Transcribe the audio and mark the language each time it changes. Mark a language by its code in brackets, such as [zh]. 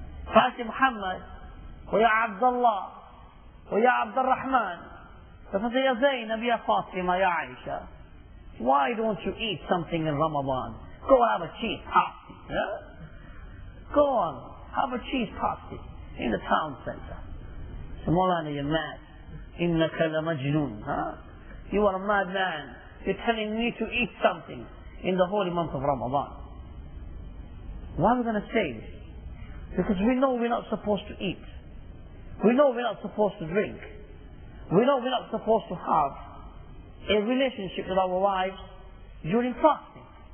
[en] If I say, Muhammad, Ya Abdullah, Ya Abdurrahman, if I say, Ya Zainab, Ya Fatima, Ya Aisha, why don't you eat something in Ramadan? Go have a cheese party. Yeah? Go on, have a cheese party in the town center. So Mawlana, you're mad. [ar] إِنَّكَ لَمَجْنُونَ huh? [en] You are a mad man. You're telling me to eat something in the holy month of Ramadan. Why are we going to say this? Because we know we're not supposed to eat. We know we're not supposed to drink. We know we're not supposed to have a relationship with our wives during fasting.